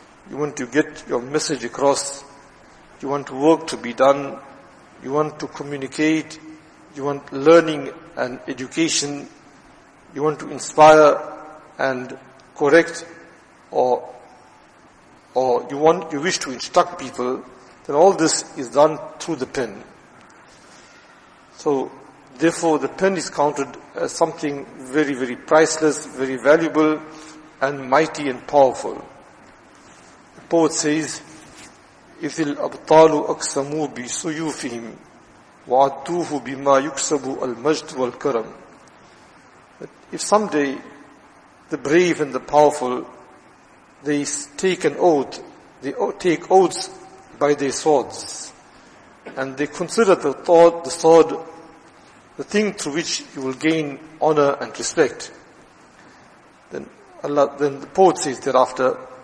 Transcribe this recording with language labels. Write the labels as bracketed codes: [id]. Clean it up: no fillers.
[en] You want to get your message across, you want work to be done, you want to communicate, you want learning and education, you want to inspire and correct, or you wish to instruct people, then all this is done through the pen. So, therefore, the pen is counted as something very, very priceless, very valuable, and mighty and powerful. The poet says, [ar] إِذِ الْأَبْطَالُ أَقْسَمُوا بِسُيُوفِهِمْ وَعَدُّوهُ بِمَا يُكْسَبُ الْمَجْدُ وَالْكَرَمُ. [en] But if someday the brave and the powerful, they take an oath, they take oaths by their swords, and they consider the sword, the thing through which you will gain honor and respect, then the poet says thereafter,